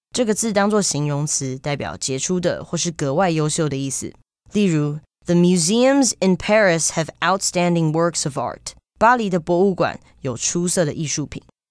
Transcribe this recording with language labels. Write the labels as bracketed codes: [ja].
[zh] 这个字当作形容词代表杰出的或是格外优秀的意思。例如 [en] The museums in Paris have outstanding works of art. [zh] 巴黎的博物馆有出色的艺术品。